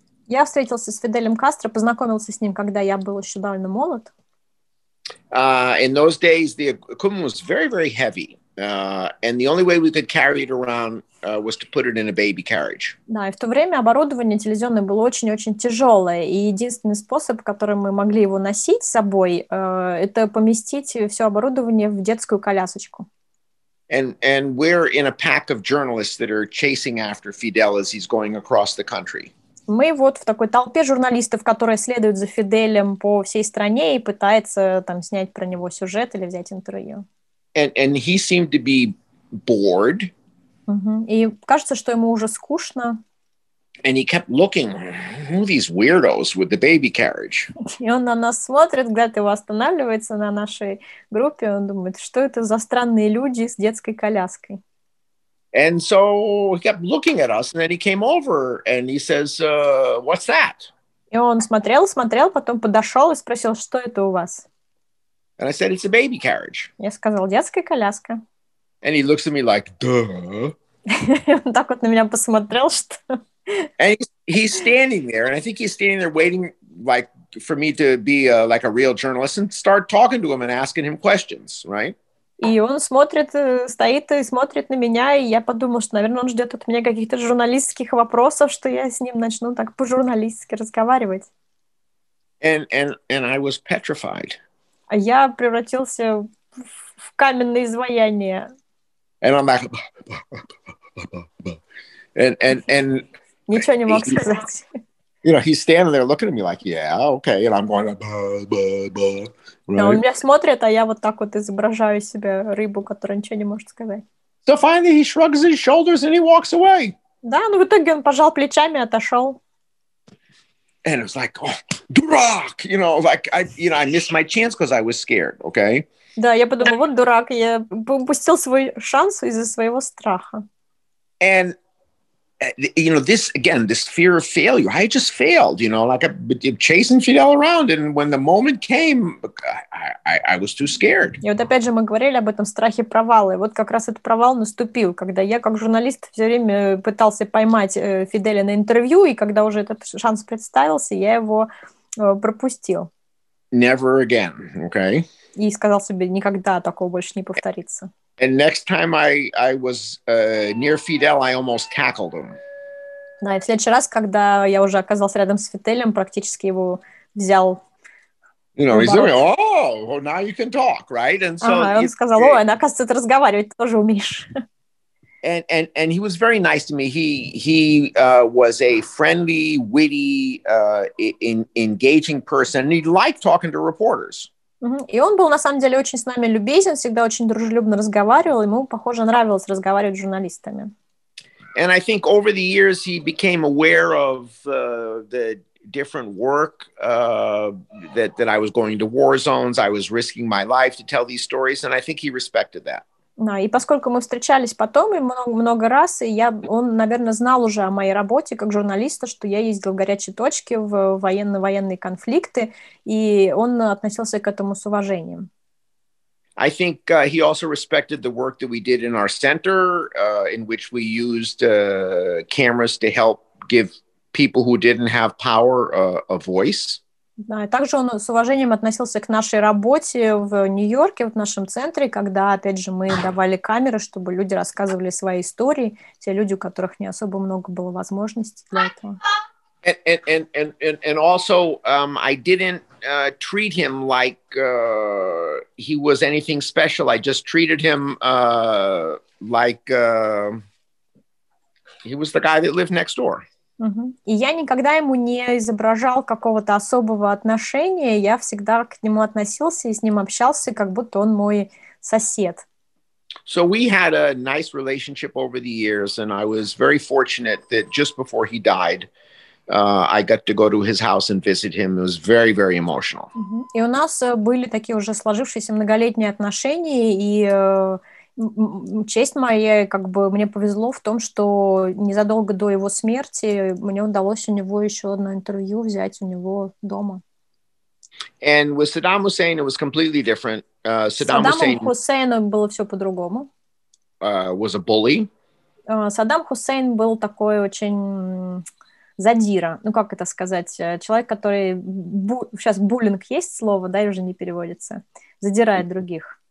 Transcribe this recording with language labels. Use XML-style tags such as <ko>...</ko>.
<ru>Я встретился с Фиделем Кастро, познакомился с ним, когда я был еще довольно молод.</ru> <en>In those days, the equipment was very, very heavy. And the only way we could carry it around was to put it in a baby carriage.</en> <ru>Да, и в то время оборудование телевизионное было очень-очень тяжелое, и единственный способ, которым мы могли его носить с собой, это поместить все оборудование в детскую колясочку.</ru> <en>And we're in a pack of journalists that are chasing after Fidel as he's going across the country.</en> <ru>Мы вот в такой толпе журналистов, которая следует за Фиделем по всей стране и пытается там снять про него сюжет или взять интервью.</ru> <en>And he seemed to be bored.</en> <ru>И кажется, что ему уже скучно.</ru> <en>And he kept looking, who are these weirdos with the baby carriage?</en> <ru>И он на нас смотрит, говорит, его останавливается на нашей группе, он думает, что это за странные люди с детской коляской.</ru> <en>And so he kept looking at us, and then he came over, and he says, what's that?</en> <ru>И он смотрел, потом подошел и спросил, что это у вас?</ru> <en>And I said, it's a baby carriage.</en> <ru>Я сказал, детская коляска.</ru> <en>And he looks at me like, duh.</en> <ru>Он так вот на меня посмотрел, что...</ru> <en>And he's standing there, and I think he's standing there waiting, like, for me to be like a real journalist and start talking to him and asking him questions, right?</en> <ru>И он смотрит, стоит и смотрит на меня, и я подумал, что, наверное, он ждет от меня каких-то журналистских вопросов, что я с ним начну так по-журналистски разговаривать.</ru> <en>And I was petrified.</en> <ru>А я превратился в каменное изваяние.</ru> <en>And I'm like... And</en> <ru>ничего не мог сказать.</ru> <en>You know, he's standing there looking at me like, yeah, okay, and I'm going, bah, bah, bah, right?</en> <ru>Да, он меня смотрит, а я вот так вот изображаю себе рыбу, которая ничего не может сказать.</ru> <en>So finally he shrugs his shoulders and he walks away.</en> <ru>Да, но в итоге он пожал плечами и отошел.</ru> <en>And it was like, oh,</en> <ru>дурак,</ru> <en>you know, like, I missed my chance because I was scared, okay?</en> <ru>Да, я подумал, вот дурак, я упустил свой шанс из-за своего страха.</ru> <en>And, you know, this, again, this fear of failure, I just failed, you know, like I'm chasing Fidel around, and when the moment came, I was too scared.</en> <ru>И вот опять же мы говорили об этом страхе провала, и вот как раз этот провал наступил, когда я как журналист все время пытался поймать Фиделя на интервью, и когда уже этот шанс представился, я его пропустил.</ru> <en>Never again, okay?</en> <ru>И сказал себе, никогда такого больше не повторится.</ru> <en>And next time I was near Fidel, I almost tackled him.</en> <ru>Да, и в следующий раз, когда я уже оказался рядом с Фиделем, практически его взял.</ru> <en>You know, he's like, oh, well, now you can talk, right? And so</en> <ru>ага, он сказал, ой, оказывается, ты разговаривать тоже умеешь.</ru> <en>And he was very nice to me. He was a friendly, witty, engaging person. He liked talking to reporters.</en> <ru>И он был, на самом деле, очень с нами любезен, всегда очень дружелюбно разговаривал, ему, похоже, нравилось разговаривать с журналистами.</ru> <en>And I think over the years he became aware of the different work that I was going to war zones, I was risking my life to tell these stories, and I think he respected that.</en> <ru>Да, и поскольку мы встречались потом и много раз, и я, он, наверное, знал уже о моей работе как журналиста, что я ездил в горячие точки, в военные конфликты, и он относился к этому с уважением.</ru> <en>I think he also respected the work that we did in our center, in which we used cameras to help give people who didn't have power a voice.</en> <ru>Да, также он с уважением относился к нашей работе в Нью-Йорке, в нашем центре, когда, опять же, мы давали камеры, чтобы люди рассказывали свои истории, те люди, у которых не особо много было возможностей для этого.</ru> <en>And also, I didn't treat him like he was anything special. I just treated him like he was the guy that lived next door.</en> <ru>И я никогда ему не изображал какого-то особого отношения, я всегда к нему относился и с ним общался, как будто он мой сосед.</ru> <en>So we had a nice relationship over the years, and I was very fortunate that just before he died, I got to go to his house and visit him. It was very, very emotional.</en> <ru>И у нас были такие уже сложившиеся многолетние отношения, и... честь моя, как бы мне повезло в том, что незадолго до его смерти мне удалось у него еще одно интервью взять у него дома.</ru> <en>And with Saddam Hussein it was completely different.</en> <ru>Саддам Хусейном было все по-другому.</ru> <en>Was a bully.</en> <ru>Саддам Хусейн был такой очень задира. Ну, как это сказать? Человек, который... Сейчас буллинг есть слово, да, и уже не переводится. Задирает других.</ru>